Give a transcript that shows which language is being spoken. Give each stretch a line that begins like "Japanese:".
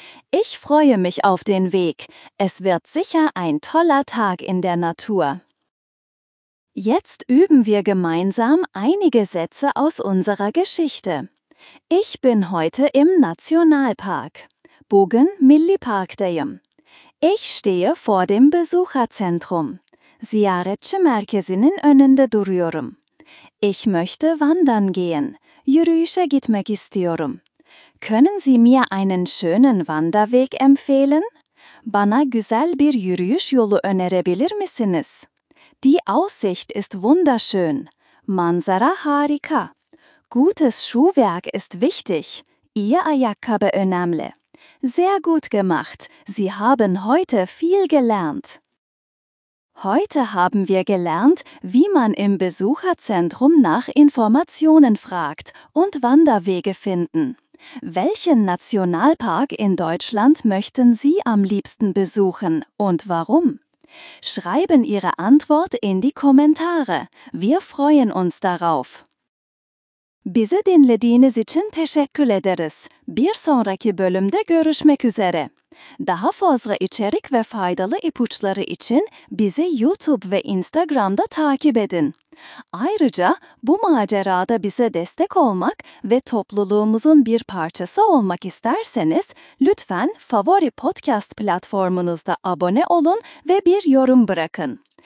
German: Ich freue mich auf den Weg. Es wird sicher ein toller Tag in der Natur. Jetzt üben wir gemeinsam einige Sätze aus unserer Geschichte. Ich bin heute im Nationalpark.
Turkish: Bogen Milliparkdayım.
German: Ich stehe vor dem Besucherzentrum.
Turkish: Ziyaretçi merkezinin önünde duruyorum.
German: Ich möchte wandern gehen.
Turkish: Yürüyüşe gitmek istiyorum.
German: Können Sie mir einen schönen Wanderweg empfehlen?
Turkish: Bana güzel bir yürüyüş yolu önerebilir misiniz?
German: Die Aussicht ist wunderschön.
Turkish: Manzara harika.
German: Gutes Schuhwerk ist wichtig.
Turkish: İyi ayakkabı önemli.
German: Sehr gut gemacht. Sie haben heute viel gelernt. Heute haben wir gelernt, wie man im Besucherzentrum nach Informationen fragt und Wanderwege finden. Welchen Nationalpark in Deutschland möchten Sie am liebsten besuchen und warum? Schreiben Ihre Antwort in die Kommentare. Wir freuen uns darauf.
Turkish: Bizi dinlediğiniz için teşekkür ederiz. Bir sonraki bölümde görüşmek üzere. Daha fazla içerik ve faydalı ipuçları için bizi YouTube ve Instagram'da takip edin. Ayrıca bu macerada bize destek olmak ve topluluğumuzun bir parçası olmak isterseniz, lütfen favori podcast platformunuzda abone olun ve bir yorum bırakın.